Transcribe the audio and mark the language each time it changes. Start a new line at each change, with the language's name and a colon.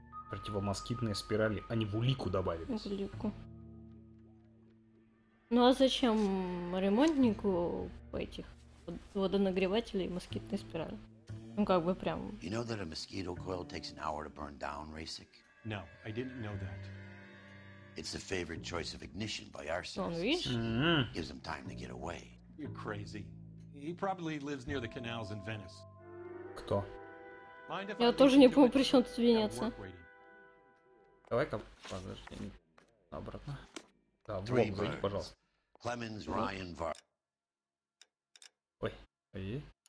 Russian: Противомоскитные спирали, они в улику добавились. В улику. Ну а зачем ремонтнику этих водонагревателей и москитные спирали? Ну как бы прям.
English: You know that a mosquito coil takes an hour to burn down, Rasik? No, I didn't know that. It's the favorite choice of ignition by arsonists. Oh, really? Mm-hmm. Gives them time to get away. You're crazy. He probably lives near the canals in Venice.
Russian: Кто? Я тоже не помню, при чём тут Венеция. Давай-ка, подожди, обратно. Да, вот, зайди, пожалуйста. Clemens, Ryan, Var. Ой, ой.